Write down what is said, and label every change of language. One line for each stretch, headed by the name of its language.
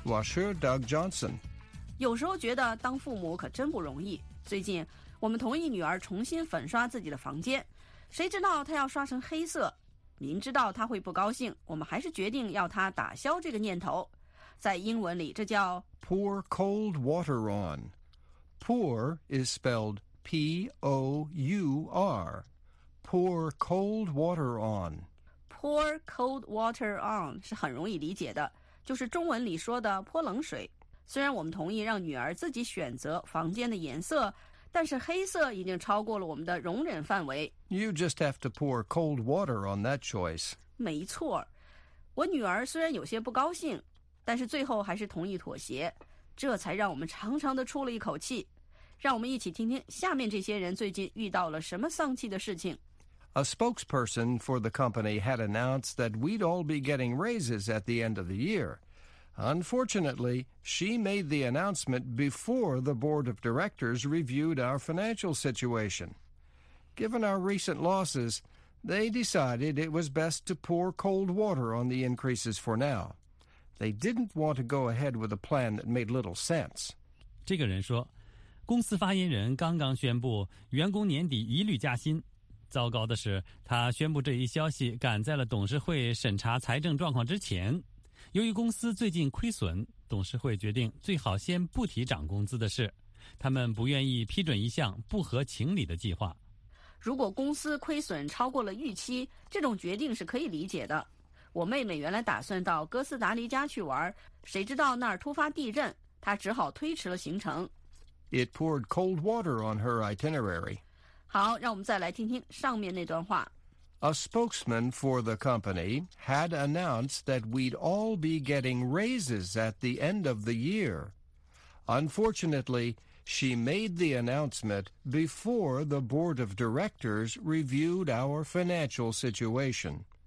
Chinese: 我是 Doug Johnson。有时候觉得当父母可真不容易，最近我们同意女儿重新粉刷自己的房间，谁知道她要刷成黑色，明知道她会不高兴，我们还是决定要她打消这个念头。在英文里这叫
English: pour cold water on。 pour is spelled P-O-U-R, pour cold water on Pour cold water on
Chinese: 是很容易理解的，就是中文里说的泼冷水。虽然我们同意让女儿自己选择房间的颜色，但是黑色已经超过了我们的容忍范围。
English: You just have to pour cold water on that choice.
Chinese: 没错，我女儿虽然有些不高兴，但是最后还是同意妥协，这才让我们长长的出了一口气。让我们一起听听下面这些人最近遇到了什么丧气的事情。
English: A spokesperson for the company had announced that we'd all be getting raises at the end of the year. Unfortunately, she made the announcement before the board of directors reviewed our financial situation. Given our recent losses, they decided it was best to pour cold water on the increases for now. They didn't want to go ahead with a plan that made little sense.
Chinese: 这个人说，公司发言人刚刚宣布员工年底一律加薪。糟糕的是，他宣布这一消息赶在了董事会审查财政状况之前。由于公司最近亏损，董事会决定最好先不提涨工资的事。他们不愿意批准一项不合情理的计划。如果公司亏损超过了预期，这种决定是可以理解的。我妹妹原来打算到哥斯达黎加去玩，谁知道那儿突发地震，她只好推迟了行程。
English: It poured cold water on her itinerary.
Chinese: 好，让我们再来听听上面那段话。
English: A spokesman for the company had announced that we'd all be getting raises at the end of the year. Unfortunately, she made the announcement before the board of directors reviewed our financial situation.